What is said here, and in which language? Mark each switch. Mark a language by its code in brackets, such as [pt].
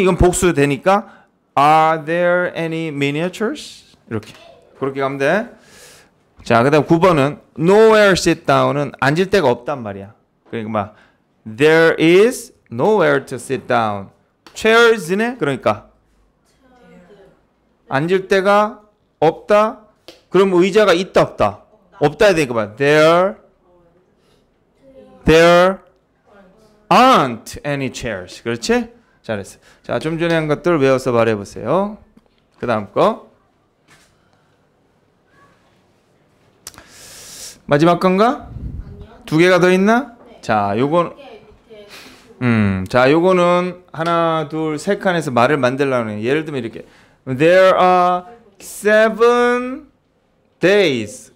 [ko] 이건 복수 되니까 [en] Are there any miniatures? [ko] 이렇게 그렇게 가면 돼. 자, 그다음 9번은 [en] nowhere sit down [ko] 은 앉을 데가 없단 말이야. 그러니까 막 [en] There is nowhere to sit down. Chairs네? [ko] 그러니까 앉을 데가 없다. 그럼 의자가 있다 없다? 없다 해야 되니까 봐. [en] There aren't any chairs. [ko] 그렇지? 잘했어. 자, 좀 전에 한 것들 외워서 말해 보세요. 그 다음 거 마지막 건가? 두 개가 더 있나? 자, 요건 자, 요거는 하나, 둘, 세 칸에서 말을 만들려고 해요. 예를 들면 이렇게 [en] There are seven days.